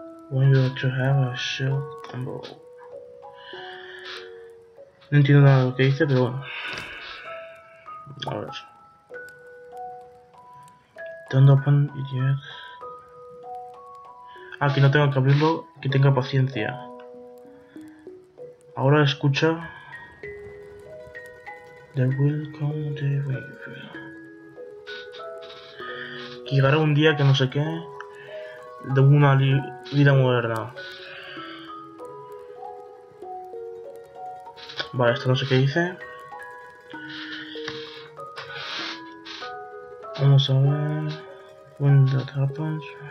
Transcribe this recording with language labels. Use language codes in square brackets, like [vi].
[en] When you want to have a show combo. [es] No entiendo nada de lo que dice, pero bueno. A ver. [en] Don't open it yet. [es] Ah, que no tenga que abrirlo, que tenga paciencia. Ahora escucha. [en] There will come the wave. [es] Que llegará un día que no sé qué. De una vida moderna. Vale, esto no sé qué dice. Vamos a ver. [en] When that happens.